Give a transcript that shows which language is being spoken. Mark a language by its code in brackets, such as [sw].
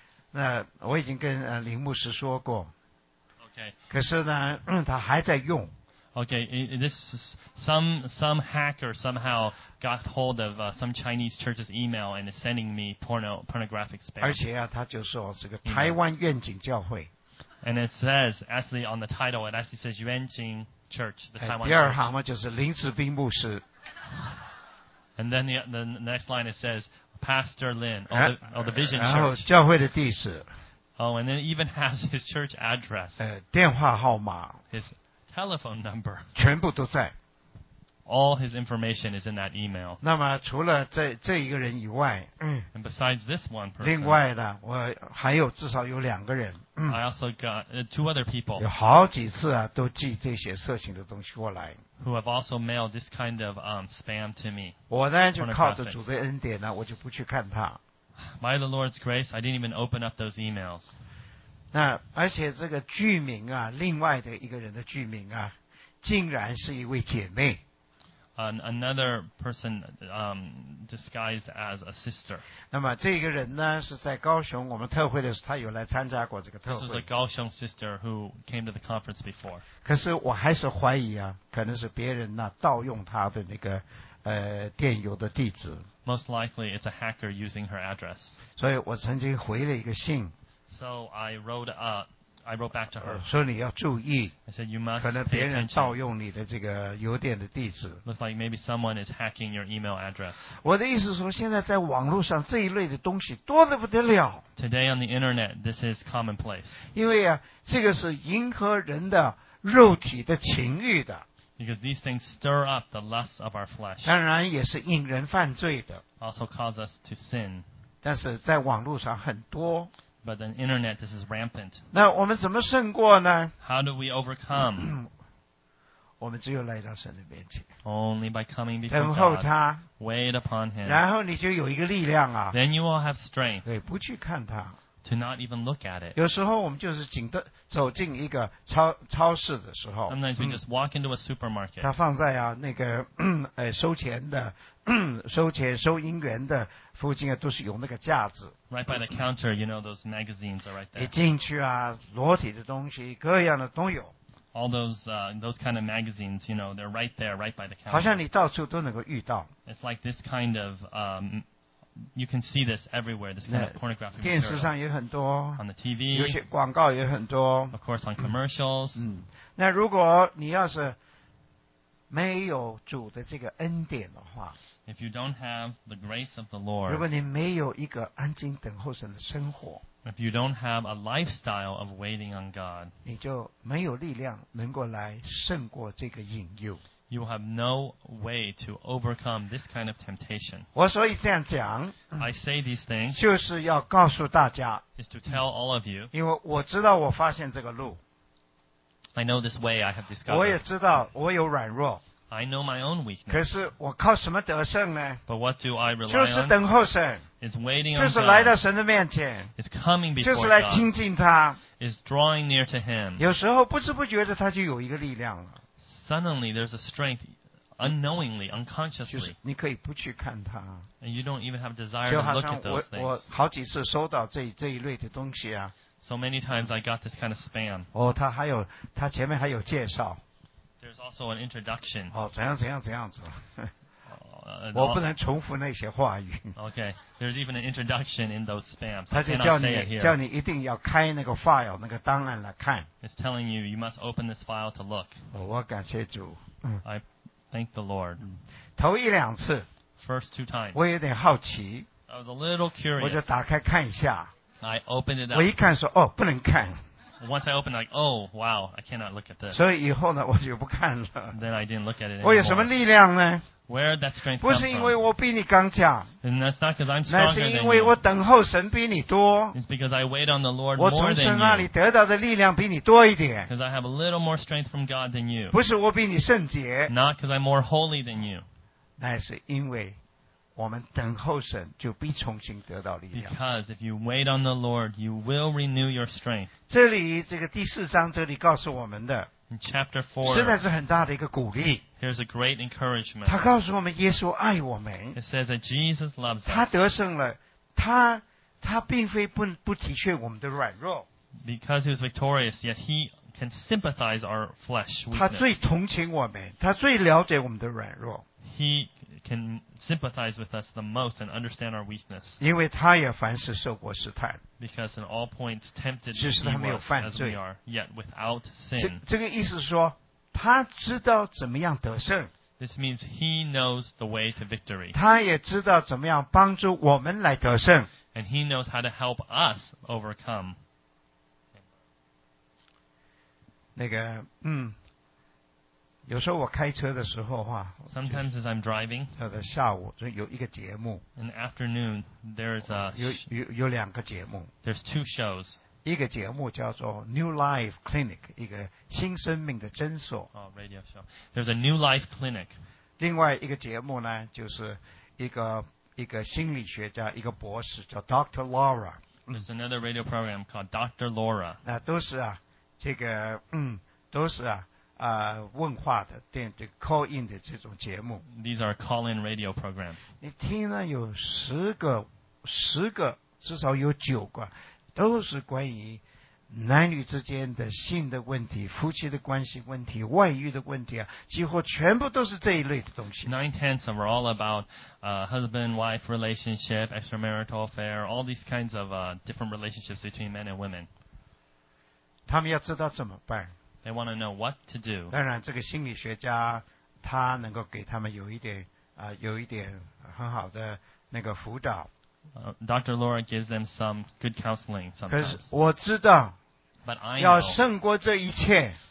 [zh] 那我已经跟林牧师说过。 [en] Okay. [zh] 可是呢，他还在用。 [en] Okay, this some hacker somehow got hold of some Chinese church's email and is sending me pornographic spam. [zh] 而且啊，他就说这个台湾愿景教会。 [en] And it says actually on the title, it actually says 愿景 Church, the Taiwan Church. [zh] 第二行嘛就是林志斌牧师。 [en] And then the next line it says Pastor Lin, the Vision Church. [zh] 然后教会的地址。 [en] Oh, and then even has his church address. [zh] 电话号码。 [en] Telephone number. [zh] 全部都在。 [en] All his information is in that email. [zh] 那么除了这一个人以外， [en] And besides this one person, [zh] 另外的我还有至少有两个人。 [en] I also got two other people. [zh] 有好几次啊，都寄这些色情的东西过来。 [en] Who have also mailed this kind of spam to me. [zh] 我呢就靠着主的恩典呢，我就不去看他。 [en] By the Lord's grace, I didn't even open up those emails. [zh] 那而且这个居民啊，另外的一个人的居民啊，竟然是一位姐妹。 [en] Another person disguised as a sister. [zh] 那么这个人呢，是在高雄我们特会的时候，他有来参加过这个特会。 [en] This is a 高雄 sister who came to the conference before. [zh] 可是我还是怀疑啊，可能是别人呢、啊、盗用他的那个电邮的地址。 [en] Most likely it's a hacker using her address. [zh] 所以我曾经回了一个信。 [en] So I wrote back to her. [zh] 说你要注意。 [en] I said you must. [zh] 可能别人盗用你的这个邮电的地址。 [en] Looks like maybe someone is hacking your email address. [zh] 我的意思说，现在在网络上这一类的东西多得不得了。 [en] Today on the internet, this is commonplace. [zh] 因为啊，这个是迎合人的肉体的情欲的。 [en] Because these things stir up the lust of our flesh. [zh] 当然也是引人犯罪的。 [en] Also cause us to sin. [zh] 但是在网络上很多。 [en] But on the internet, this is rampant. [zh] 那我们怎么胜过呢? [en] How do we overcome? [zh] 我们只有来到神的面前。 [en] Only by coming before [zh] 等候他, [en] God. Wait upon him. [zh] 然后你就有一个力量啊。 [en] Then you will have strength. [zh] 对，不去看他。 [en] To not even look at it. [zh] 有时候我们就是进的走进一个超市的时候。 [en] Sometimes we just walk into a supermarket. [zh] 他放在啊那个收钱的收钱收银员的附近啊，都是有那个架子。 [en] Right by the counter, you know those magazines are right there. [zh] 一进去啊，裸体的东西，各样的都有。 [en] All those kind of magazines, you know, they're right there, right by the counter. [zh] 好像你到处都能够遇到。 [en] It's like this kind of you can see this everywhere, this kind of pornographic material. [zh] 电视上也很多。 [en] On the TV. [zh] 有些广告也很多。 [en] Of course, on commercials. [zh] 那如果你要是没有主的这个恩典的话。 [en] If you don't have the grace of the Lord, [zh] 如果你没有一个安静等候神的生活, [en] if you don't have a lifestyle of waiting on God, [zh] 你就没有力量能够来胜过这个引诱。 [en] You have no way to overcome this kind of temptation. [zh] 我所以这样讲, [en] I say these things, [zh] 就是要告诉大家, [en] is to tell all of you, [zh] 因为我知道我发现这个路, [en] I know this way I have discovered. [zh] 我也知道我有软弱。 [en] I know my own weakness. [zh] 可是我靠什么得胜呢? [en] But what do I rely on? [zh] 就是等候神。 [en] It's waiting on God. [zh] 就是来到神的面前。 [en] It's coming before God. [zh] 就是来亲近他。 [en] It's drawing near to him. [zh] 有时候不知不觉的他就有一个力量了。 [en] Suddenly there's a strength, unknowingly, unconsciously. [zh] 就是你可以不去看他。 [en] And you don't even have desire to look at those things. [zh] 就好像我好几次收到这一类的东西啊。 [en] So many times I got this kind of spam. [zh] 哦，他还有，他前面还有介绍。 [en] There's also an introduction. [zh] 哦，怎样怎样怎样子？我不能重复那些话语。 [en] Okay, there's even an introduction in those spams. [zh] 他就叫你叫你一定要开那个 file 那个档案来看。 [en] It's telling you you must open this file to look. [zh] 我感谢主。 [en] I thank the Lord. [zh] 头一两次。 [en] First two times. [zh] 我有点好奇。 [en] I was a little curious. [zh] 我就打开看一下。 [en] I opened it up. [zh] 我一看说，哦，不能看。 [en] Once I opened, like, oh, wow, I cannot look at this. [zh] 所以以后呢，我就不看了。 [en] Then I didn't look at it anymore. [zh] 我有什么力量呢? [en] Where did that strength come from? [zh] 不是因为我比你刚强。 [en] And that's not because I'm stronger than you. [zh] 那是因为我等候神比你多。 [en] It's because I wait on the Lord more than you. [zh] 我从神那里得到的力量比你多一点。 [en] Because I have a little more strength from God than you. [zh] 不是我比你圣洁。 [en] Not because I'm more holy than you. [zh] 那是因为我们等候神就必重新得到力量。 [en] Because if you wait on the Lord, you will renew your strength. [zh] 这里这个第四章这里告诉我们的。 [en] In chapter 4, [zh] 实在是很大的一个鼓励。 [en] Here's a great encouragement. [zh] 他告诉我们耶稣爱我们。 [en] It says that Jesus loves us. [zh] 他得胜了，他并非不体恤我们的软弱。 [en] Because he was victorious, yet he can sympathize our flesh weakness. [zh] 他最同情我们，他最了解我们的软弱。 [en] He can sympathize with us the most and understand our weakness. [zh] 因为他也凡事受过试探。 [en] Because in all points tempted he was as we are, yet without sin. [zh] 这个意思说，他知道怎么样得胜。 [en] This means he knows the way to victory. [zh] 他也知道怎么样帮助我们来得胜。 [en] And he knows how to help us overcome. [zh] 那个，有时候我开车的时候啊 [en] Sometimes as I'm driving [zh] 在下午有一个节目 [en] In the afternoon there's a [zh] 有两个节目 [en] There's two shows [zh] 一个节目叫做 New Life Clinic 一个新生命的诊所 [en] Oh, radio show There's a New Life Clinic [zh] 另外一个节目呢就是一个心理学家一个博士叫 Dr. Laura [en] There's another radio program called Dr. Laura. [zh] 那都是啊，这个都是啊，问话的电这 call in 的这种节目。 [en] These are call in radio programs. [zh] 你听了有十个，至少有九个，都是关于男女之间的性的问题、夫妻的关系问题、外遇的问题啊，几乎全部都是这一类的东西。 [en] 9/10 of are all about husband-wife relationship, extramarital affair, all these kinds of different relationships between men and women. [zh] 他们要知道怎么办。 [en] They want to know what to do. [zh] 当然，这个心理学家他能够给他们有一点很好的那个辅导。 [en] Dr. Laura gives them some good counseling sometimes. [zh] 可是我知道 [en] But I know, [zh] 要胜过这一切